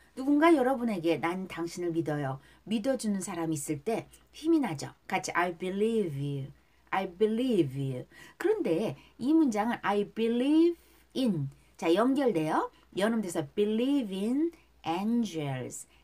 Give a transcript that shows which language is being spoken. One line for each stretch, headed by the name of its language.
Korean: 누군가 여러분에게 난 당신을 믿어요. 믿어주는 사람이 있을 때 힘이 나죠. 같이
English: I believe you.
Korean: 그런데 이 문장은
English: I believe in.
Korean: 자, 연결돼요.
English: 연음돼서 believe in angels.